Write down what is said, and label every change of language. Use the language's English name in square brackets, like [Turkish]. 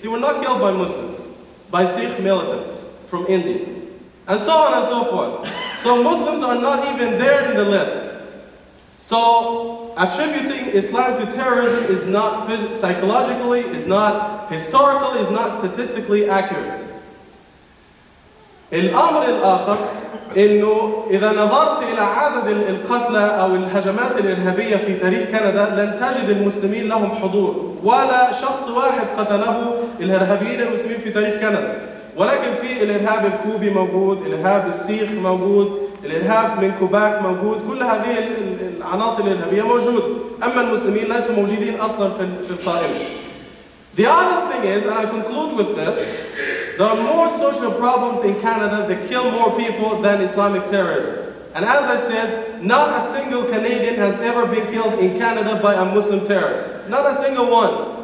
[English] They were not killed by Muslims, by Sikh militants from India, and so on and so forth. So Muslims are not even there in the list. So attributing Islam to terrorism is not psychologically, is not historically, is not statistically accurate. [Arabic] الأمر الآخر إنه إذا نظرت إلى عدد القتلى أو الهجمات الإرهابية في تاريخ كندا لن تجد المسلمين لهم حضور ولا شخص واحد قتله الإرهابيين المسلمين في تاريخ كندا. ولكن في الإرهاب الكوبي موجود، الإرهاب السيخ موجود، الإرهاب من كوباك موجود، كل هذه العناصر الإرهابية موجود. أما المسلمين ليسوا موجودين أصلاً في القائمة. [English] The other thing is, and I conclude with this, there are more social problems in Canada that kill more people than Islamic terrorism. And as I said, not a single Canadian has ever been killed in Canada by a Muslim terrorist. Not a single one.